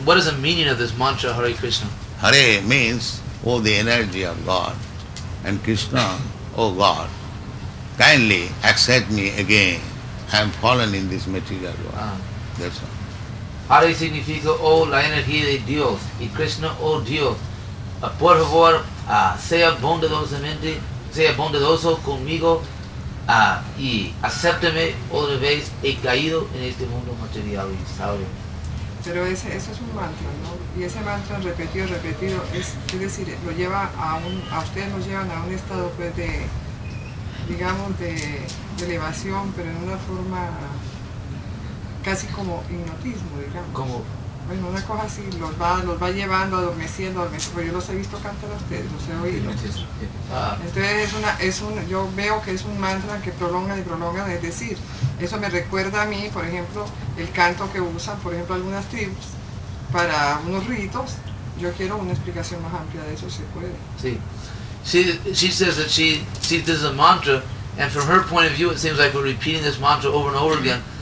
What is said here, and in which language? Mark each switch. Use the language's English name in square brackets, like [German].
[English] What is the meaning of this mantra, Hare Krishna? Hare means, oh, the energy of God, and Krishna, oh God, kindly accept me again. I am fallen in this material world. That's all. [Spanish] Hare significa, oh, la energía de Dios, y Krishna, oh Dios, por favor, sea bondadoso conmigo, y acéptame otra vez, he caído en este mundo material y sabio. Pero eso es un mantra, ¿no? Y ese mantra repetido, es decir, lo lleva a ustedes nos llevan a un estado, pues, de, digamos, de elevación, pero en una forma... casi como hipnotismo, digamos. ¿Cómo? Bueno, una cosa así, los va llevando, adormeciendo, pero yo los he visto cantar a ustedes, los he oído. Entonces, yo veo que es un mantra que prolonga y prolonga, es decir, eso me recuerda a mí, por ejemplo, el canto que usan, por ejemplo, algunas tribus para unos ritos. Yo quiero una explicación más amplia de eso, si puede. Sí. [English] She says that she does a mantra, and from her point of view, it seems like we're repeating this mantra over and over again.